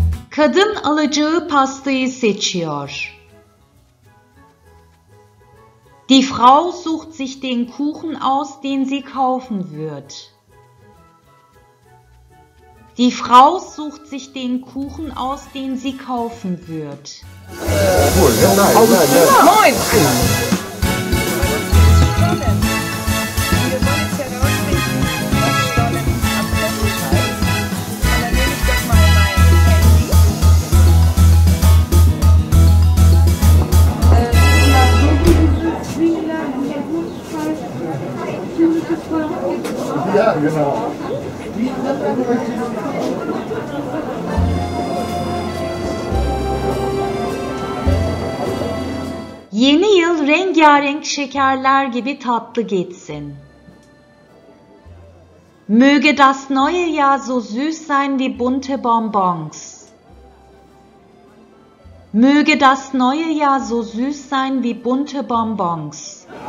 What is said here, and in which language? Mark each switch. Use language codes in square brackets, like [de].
[tr] Kadın alacağı pastayı seçiyor. [de] Die Frau sucht sich den Kuchen aus, den sie kaufen wird. Die Frau sucht sich den Kuchen aus, den sie kaufen wird. Moin! [tr] Yeni yıl rengarenk şekerler gibi tatlı geçsin. [de] Möge das neue Jahr so süß sein wie bunte Bonbons. Möge das neue Jahr so süß sein wie bunte Bonbons.